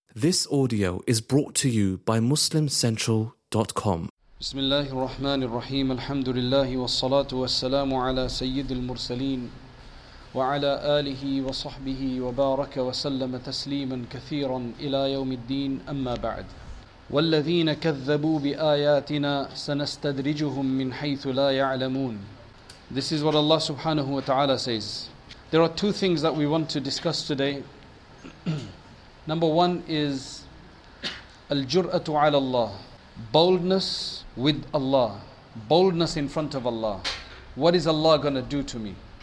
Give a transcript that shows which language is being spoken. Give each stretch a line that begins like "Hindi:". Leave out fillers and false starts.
English: This audio is brought to you by MuslimCentral.com.
Arabic: بسم الله الرحمن الرحيم الحمد لله والصلاة والسلام على سيد المرسلين وعلى آله وصحبه وبارك وسلم تسليما كثيرا إلى يوم الدين أما بعد والذين كذبوا بآياتنا سنستدرجهم من حيث لا يعلمون.
English: This is what Allah subhanahu wa ta'ala says. There are two things that we want to discuss today. Number one is
Arabic: al-jur'atu 'ala Allah,
English: boldness with Allah, boldness in front of Allah. What is Allah going to do to me?